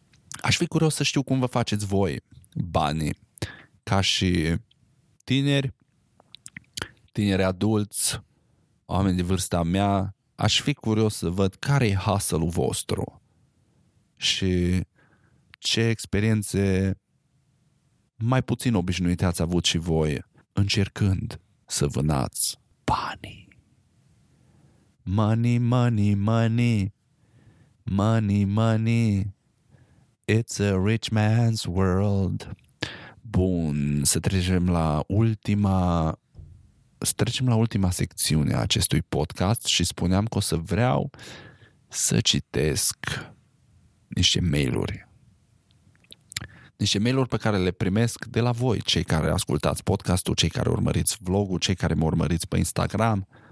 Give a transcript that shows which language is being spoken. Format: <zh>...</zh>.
<ro>Aș fi curios să știu cum vă faceți voi banii ca și tineri, tineri adulți, oameni de vârsta mea. Aș fi curios să văd care e hustle-ul vostru și ce experiențe mai puțin obișnuite ați avut și voi încercând să vânați banii.</ro> <en>Money, money, money, money, money, it's a rich man's world.</en> <ro>Bun, să trecem la ultima secțiune a acestui podcast și spuneam că o să vreau să citesc niște mail-uri pe care le primesc de la voi, cei care ascultați podcastul, cei care urmăriți vlogul, cei care mă urmăriți pe Instagram.</ro>